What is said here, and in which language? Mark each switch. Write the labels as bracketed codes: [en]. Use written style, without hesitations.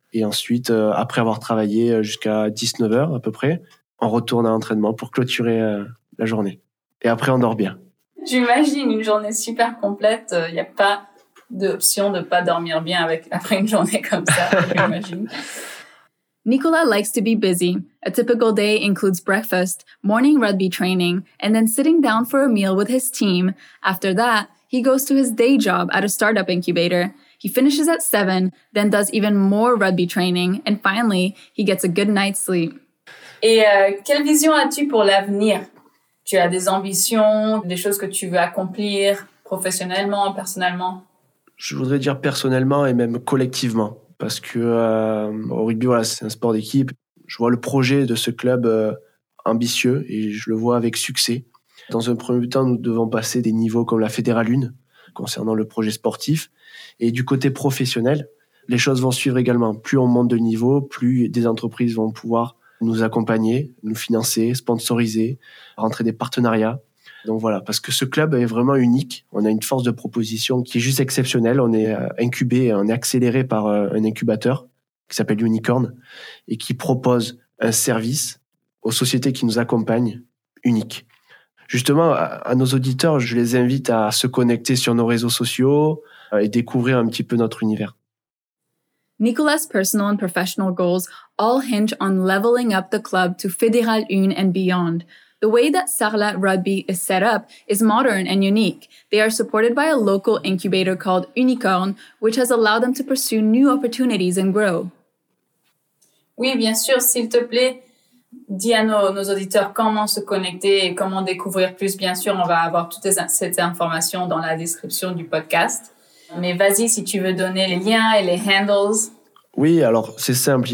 [fr] Et ensuite, après avoir travaillé jusqu'à 19h à peu près, on retourne à l'entraînement pour clôturer la journée. Et après, on dort bien. J'imagine une journée super complète. Il n'y a pas d'option de ne pas dormir bien après une journée comme ça, j'imagine. [en] Nicolas likes to be busy. A typical day includes breakfast, morning rugby training, and then sitting down for a meal with his team. After that, he goes to his day job at a startup incubator. He finishes at 7, then does even more rugby training, and finally, he gets a good night's sleep. [fr] Et quelle vision as-tu pour l'avenir? Tu as des ambitions, des choses que tu veux accomplir professionnellement, personnellement? Je voudrais dire personnellement et même collectivement. Parce que au rugby, voilà, c'est un sport d'équipe. Je vois le projet de ce club ambitieux et je le vois avec succès. Dans un premier temps, nous devons passer des niveaux comme la Fédéral 1 concernant le projet sportif. Et du côté professionnel, les choses vont suivre également. Plus on monte de niveau, plus des entreprises vont pouvoir nous accompagner, nous financer, sponsoriser, rentrer des partenariats. Donc voilà, parce que ce club est vraiment unique. On a une force de proposition qui est juste exceptionnelle. On est incubé, on est accéléré par un incubateur qui s'appelle Unicorn et qui propose un service aux sociétés qui nous accompagnent unique. Justement, à nos auditeurs, je les invite à se connecter sur nos réseaux sociaux et découvrir un petit peu notre univers. [en] Nicolas' personal and professional goals all hinge on leveling up the club to Fédéral 1 and beyond. The way that Sarlat Rugby is set up is modern and unique. They are supported by a local incubator called Unicorn, which has allowed them to pursue new opportunities and grow. [fr] Oui, bien sûr, s'il te plaît, dis à nos auditeurs comment se connecter et comment découvrir plus. Bien sûr, on va avoir toutes ces informations dans la description du podcast. Mais vas-y, si tu veux donner les liens et les handles. Oui, alors c'est simple.